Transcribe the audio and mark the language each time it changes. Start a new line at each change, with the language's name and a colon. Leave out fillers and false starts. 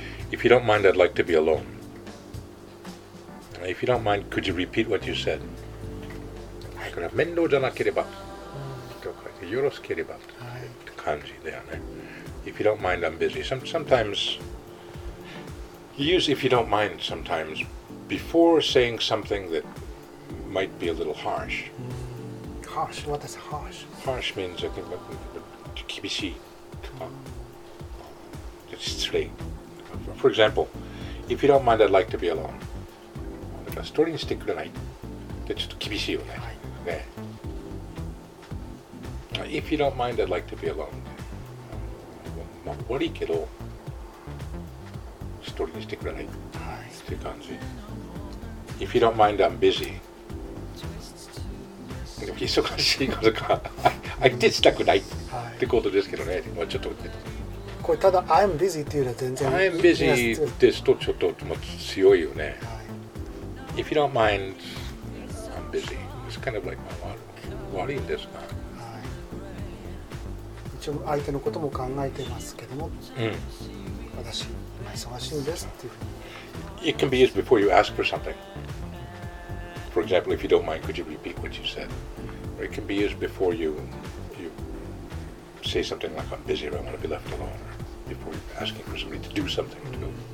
English: If you don't mind, I'd like to be alone. If you don't mind, could you repeat what you said?
Japanese: だから面倒じゃなければとかよろしければって感じだよね。
English: If you don't mind, I'm busy. Sometimes, you use if you don't mind sometimes before saying something that might be a little harsh. Harsh? What is harsh? Harsh means, I think,
Japanese: 厳しいとか。
English: It's straight. For example, if you don't mind, I'd like to be alone.
Japanese: ストーリーにしてくれないってちょっと厳しいよね、はい、
English: Okay. If you don't mind, I'd like to be alone.
Japanese: もう悪いけど、一人にしてくれない。はい。って感じ。
English: If you don't mind, I'm busy.
Japanese: 忙しいことか相手したくないってことですけどね、はい、ちょっと待って、これただ
English: I'm busy
Japanese: っていうのは全然
English: I'm busy
Japanese: ですとちょっともう強いよね、はい、
English: If you don't mind I'm busy It's kind of like my work
Japanese: 悪いんですが、はい、一応相手のことも考えてますけども、うん、私忙しいんですっていうふうに
English: It can be used before you ask for somethingFor example, if you don't mind, could you repeat what you said? Or it can be used before you say something like, I'm busy or I want to be left alone, or before asking for somebody to do something to you.